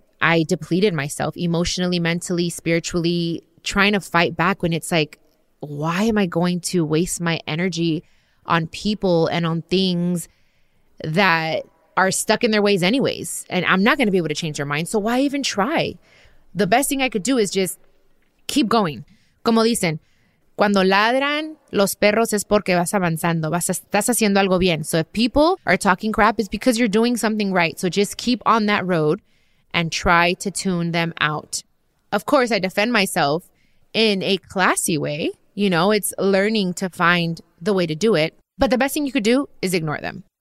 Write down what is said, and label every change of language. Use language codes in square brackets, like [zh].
[en] I depleted myself emotionally, mentally, spiritually, trying to fight back when it's like, why am I going to waste my energy on people and on things that are stuck in their ways anyways? And I'm not going to be able to change their mind. So why even try? The best thing I could do is just keep going. [es] Como dicen, cuando ladran los perros es porque vas avanzando, estás haciendo algo bien. [en] So if people are talking crap, it's because you're doing something right. So just keep on that road and try to tune them out. Of course, I defend myself in a classy way. You know, it's learning to find the way to do it. But the best thing you could do is ignore them.